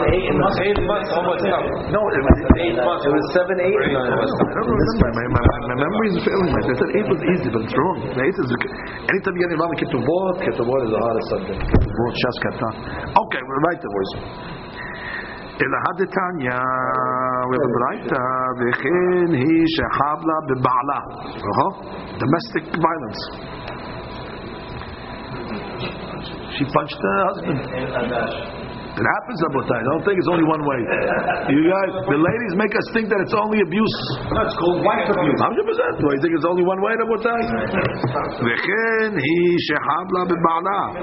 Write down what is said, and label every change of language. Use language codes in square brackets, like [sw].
[en] It was 8 months, almost. No, it was 8 months. It was 7, 8, 9 months. I don't remember. My memory is failing. I said 8 was easy, but it's wrong. Anytime you get involved, Ketubot is the hardest subject. Ketubot, Shas Katan. Okay, we're right there, boys. [he] אלא הדתניא, ובברייתא, וכן היא שחבלה בבעלה. [en] Domestic violence. She punched her husband. It happens, Abotai. Don't think it's only one way. You guys, the ladies make us think that it's only abuse. No, it's called wife abuse. 100%. Do you think it's only one way, Abotai? [he] וכן היא שחבלה בבעלה.